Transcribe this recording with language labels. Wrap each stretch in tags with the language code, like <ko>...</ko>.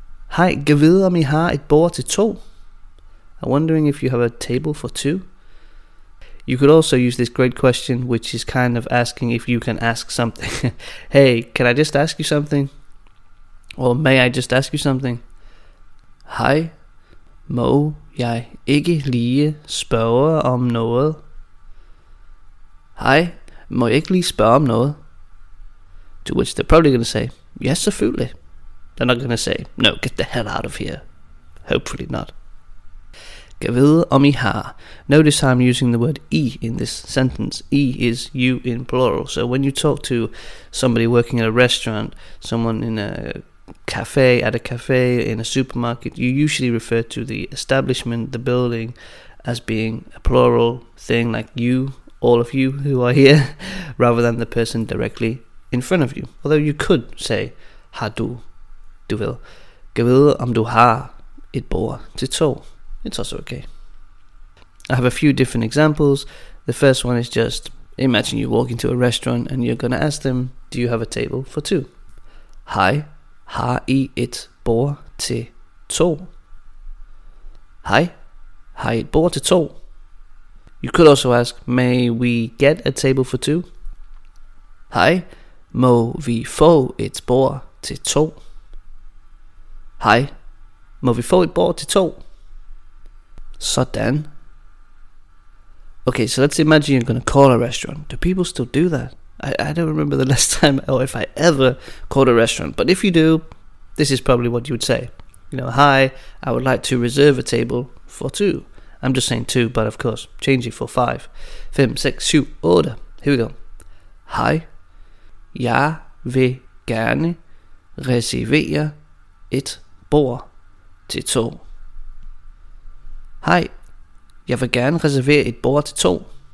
<da>Hej, gå videre om I har et bord til to.</da> <en>I'm wondering if you have a table for two. You could also use this great question, which is kind of asking if you can ask something. Hey, can I just ask you something? Or may I just ask you something?</en> <da>Hej, må jeg ikke lige spørge om noget? Hej, må jeg ikke lige spørge om noget?</da> <en>To which they're probably going to say, yes,</en> <da>selvfølgelig.</da> <en>They're not going to say, no, get the hell out of here. Hopefully not.</en> <da>Gav vide om I har.</da> <en>Notice how I'm using the word I in this sentence. I is you in plural. So when you talk to somebody working at a restaurant, someone in a cafe, at a cafe, in a supermarket, you usually refer to the establishment, the building, as being a plural thing, like you, all of you who are here, rather than the person directly in front of you. Although you could say,</en> <da>har du. Du vil. Gå vide om du har et bord til to.</da> <en>It's also okay. I have a few different examples. The first one is just, imagine you walk into a restaurant and you're going to ask them, do you have a table for two?</en> <da>Hej, har I et bord til to? Hej, har I et bord til to?</da> <en>You could also ask, may we get a table for two?</en> <da>Hej, må vi få et bord til to? Hej, må vi få et bord til to? Sådan.</da> <en>Okay, so let's imagine you're gonna call a restaurant. Do people still do that? I don't remember the last time or if I ever called a restaurant. But if you do, this is probably what you would say. You know, hi, I would like to reserve a table for two. I'm just saying two, but of course, change it for five.</en> <da>Fem, seks, syv, otte.</da> <en>Here we go.</en> <da>Hej, jeg vil gerne reservere et bord til to. Hej, jeg vil gerne reservere et bord til to.</da>